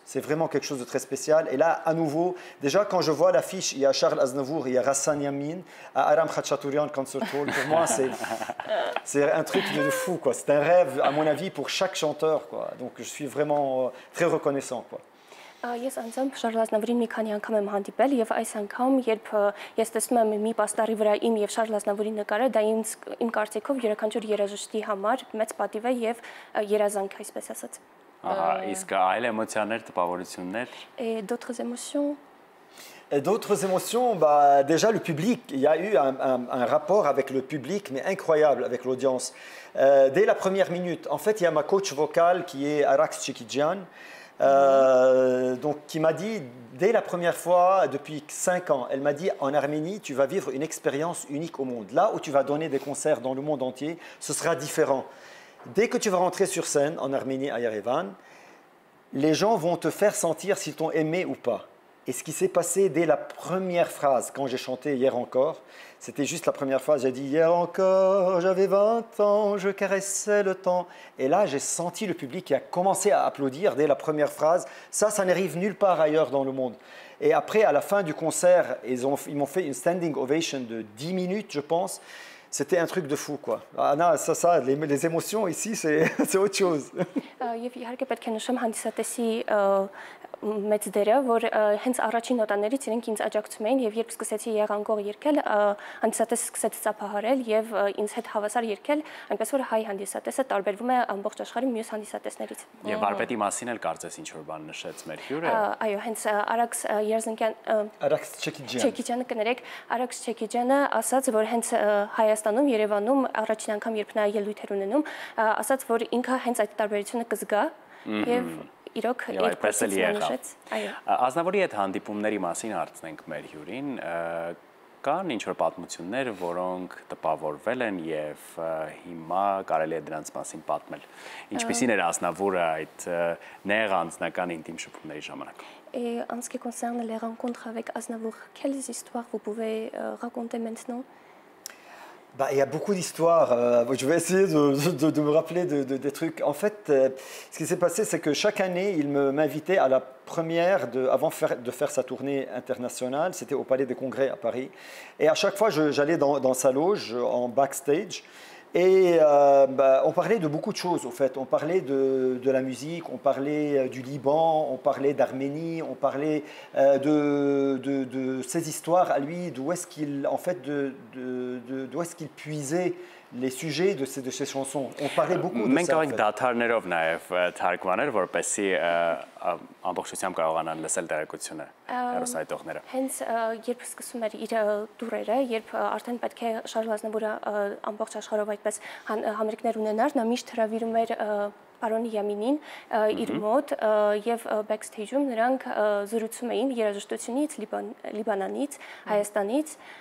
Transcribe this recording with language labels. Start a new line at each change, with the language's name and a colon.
French: C'est vraiment quelque chose de très spécial. Et là, à nouveau, déjà, quand je vois l'affiche, il y a Charles Aznavour, il y a Ghassan Yamin, à Aram Khachaturian Concert Hall, pour moi, c'est un truc de fou, quoi. C'est un rêve, à mon avis, pour chaque chanteur, quoi. Donc, je suis vraiment très reconnaissant, quoi.
Armenian: Ես անձամբ Շարլ Ազնավուրին մի քանի անգամ եմ հանդիպել եւ այս անգամ երբ ես տեսնում եմ մի պաստառի վրա իմ եւ Շարլ Ազնավուրի նկարը, դա ինձ իմ կարծիքով յուրաքանչյուր երաժշտի համար մեծ պատիվ է եւ երազանք, այսպես ասած։ Ահա, իսկ այլ էմոցիաներ, տպավորություններ?
French: D'autres émotions? Et d'autres émotions, bah, déjà le public, il y a eu un rapport avec le public, mais incroyable avec l'audience. Dès la première minute, en fait, il y a ma coach vocale qui est Arax Chikidjian, donc, qui m'a dit, dès la première fois, depuis 5 ans, elle m'a dit, en Arménie, tu vas vivre une expérience unique au monde. Là où tu vas donner des concerts dans le monde entier, ce sera différent. Dès que tu vas rentrer sur scène en Arménie, à Yerevan, les gens vont te faire sentir s'ils t'ont aimé ou pas. Et ce qui s'est passé dès la première phrase, quand j'ai chanté « Hier encore », c'était juste la première phrase, j'ai dit « Hier encore, j'avais 20 ans, je caressais le temps ». Et là, j'ai senti le public qui a commencé à applaudir dès la première phrase. Ça, ça n'arrive nulle part ailleurs dans le monde. Et après, à la fin du concert, ils m'ont fait une standing ovation de 10 minutes, je pense. C'était un truc de fou, quoi. Ah non, ça, les émotions ici, c'est autre chose.
Armenian: մեծ դերը, որ հենց առաջին նոտաներից իրենք ինձ աջակցում էին, և երբ սկսեցի եղանգող երգել, հանդիսատես սկսեց ծափահարել և ինձ հետ հավասար երգել, այնպես որ հայ հանդիսատեսը տարբերվում է ամբողջ աշխարհի մյուս հանդիսատեսներից։ Եվ վարպետի մասին էլ կարծես ինչ-որ բան նշեց մեր հյուրը։ Այո, հենց Արաքս Երզնկյան, Արաքս Չեքիջյան, Չեքիջյանը կներեք, Արաքս Չեքիջյանը ասաց, որ հենց Հայաստանում, Երևանում, առաջին անգամ, երբ նա ելույթ էր ունենում, ասաց, որ ինքը հենց այդ տարբերությունը կզգա, և իրոք այդպես էլ եղավ։ Ազնավորի այդ հանդիպումների մասին հարցնենք մեր հյուրին, կան ինչ-որ պատմություններ, որոնք տպավորվել են և հիմա կարելի է դրանց մասին պատմել։ Ինչպիսին էր Ազնավորը այդ նեղ անձնական ինտիմ շփումների ժամանակ։
French: En ce qui concerne les rencontres avec Aznavour, quelles histoires vous pouvez raconter maintenant? Bah, il y a beaucoup d'histoires. Je vais essayer de me rappeler des trucs. En fait, ce qui s'est passé, c'est que chaque année, il m'invitait à la première avant de faire sa tournée internationale. C'était au Palais des Congrès à Paris. Et à chaque fois, j'allais dans sa loge, en backstage. Et bah, on parlait de beaucoup de choses, au fait. On parlait de la musique, on parlait du Liban, on parlait d'Arménie, on parlait de ses histoires à lui, d'où est-ce qu'il, en fait, d'où est-ce qu'il puisait les sujets de ses chansons. On parlait beaucoup de ça. Mais quand même, d'autres nerfs naïfs, Tarkwaner, vous pensez en plus aussi à quoi on a le seul derrière quoi tu
Armenian: Հենց երբ սկսում էր իր տուրերը, երբ արդեն պետք է Շարլ Ազնավուրը ամբողջ աշխարհով այդպես համերգներ ունենար, նա միշտ հրավիրում էր պարոն Յամինին իր մոտ և բեքսթեյջում նրանք զրուցում էին երաժշտությունից, Լիբանանից, Հայաստանից։